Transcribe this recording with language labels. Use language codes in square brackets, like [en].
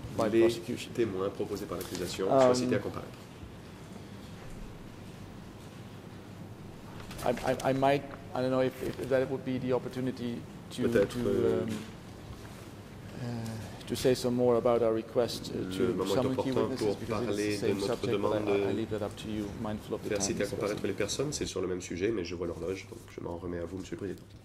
[fr] Les témoins proposés par l'accusation soient cités à comparaître. [en] I might, I don't know if that would be the opportunity to say some more about our request to some key witnesses, because it's the same subject, but I leave that up to you, mindful of the time. [fr] Les personnes, c'est sur le même sujet, mais je vois l'horloge, donc je m'en remets à vous, Monsieur le Président.